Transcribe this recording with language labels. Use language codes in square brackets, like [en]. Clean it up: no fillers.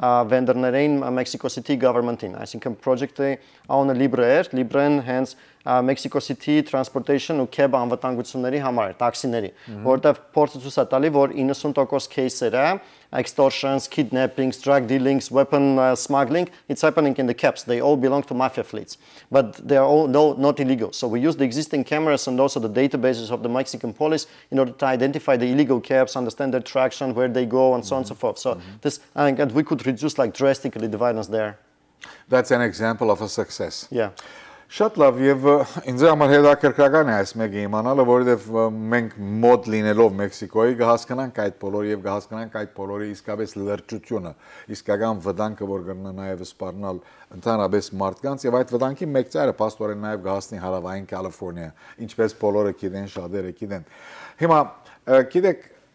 [hy] վենդորներին Mexico City government-ին, այսինքն project-ը [en] on a libre air, libre and hence Mexico City transportation [hy] ու cab անվտանգությունների համար է, տաքսիների, որտեվ փորձ ցույց է տալի, որ 90% case-երը [en] extortions, kidnappings, drug dealings, weapon smuggling, it's happening in the cabs. They all belong to mafia fleets, but they are all not illegal. So we use the existing cameras and also the databases of the Mexican police in order to identify the illegal cabs, understand their traction, where they go, and so on and so forth. So this, and we could reduce like drastically the violence there. That's an example of a success. Yeah. [hy] Շատ լավ, եւ ինձ համար հետաքրքրական է այս մեկը իմանալը, որովհետեւ մենք մոտ լինելով Մեքսիկոյի կհասկանանք այդ բոլորը եւ կհասկանանք այդ բոլորի իսկապես լրջությունը, իսկական վտանգը, որ կգնա նաեւ սպառնալ ընդհանրապես մարդկանց, եւ այդ վտանգի մեծ ծայրը փաստորեն նաեւ կհասնի հարավային Կալիֆոռնիա, ինչպես բոլորը գիտեն, շատերը գիտեն։ Հիմա, գիտեք,